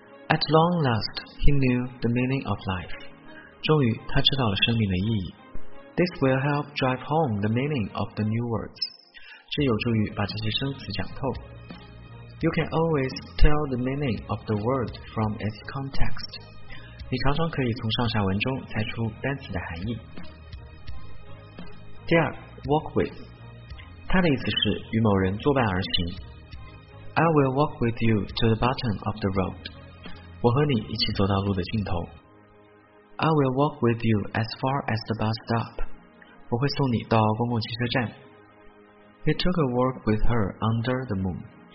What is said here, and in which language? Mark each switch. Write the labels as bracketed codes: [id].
[en] At long last he knew the meaning of life. [zh] 终于他知道了生命的意义。 [en] This will help drive home the meaning of the new words. [zh] 这有助于把这些生词讲透。 [en] You can always tell the meaning of the word from its context. [zh] 你常常可以从上下文中猜出单词的含义。第二 walk with， 它的意思是与某人作伴而行。 [en] I will walk with you to the bottom of the road. [zh] 我和你一起走到路的尽头。 [en] I will walk with you as far as the bus stop. [zh] 我会送你到公共汽车站。 [en] He took a walk with her under the moon.